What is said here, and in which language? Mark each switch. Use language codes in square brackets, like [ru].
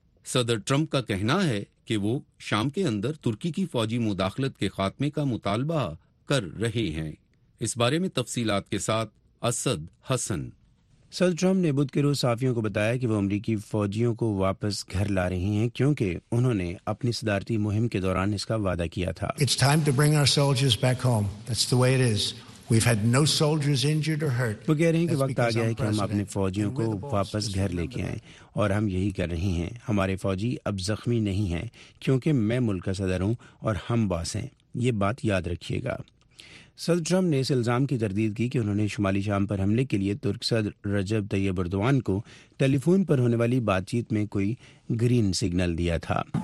[ur] صدر ٹرمپ کا کہنا ہے کہ وہ شام کے اندر ترکی کی فوجی مداخلت کے خاتمے کا مطالبہ کر رہے ہیں. اس بارے میں تفصیلات کے ساتھ اسد حسن. صدر ٹرمپ نے بدھ کے روز صحافیوں کو بتایا کہ وہ امریکی فوجیوں کو واپس گھر لا رہے ہیں کیونکہ انہوں نے اپنی صدارتی مہم کے دوران اس کا وعدہ کیا تھا. [en] It's time to bring our soldiers back home. That's the way it is. We've had no soldiers injured or hurt. [ur] وہ کہہ رہے ہیں کہ وقت آ گیا ہے کہ ہم اپنے فوجیوں کو واپس گھر لے کے آئیں اور ہم یہی کر رہے ہیں. ہمارے فوجی اب زخمی نہیں ہیں کیونکہ میں ملک کا صدر ہوں اور ہم باس ہیں. یہ بات یاد رکھیے گا. صدر ٹرمپ نے اس الزام کی تردید کی کہ انہوں نے شمالی شام پر حملے کے لیے ترک صدر رجب طیب اردوان کو ٹیلی فون پر ہونے والی بات چیت میں کوئی گرین سگنل دیا تھا.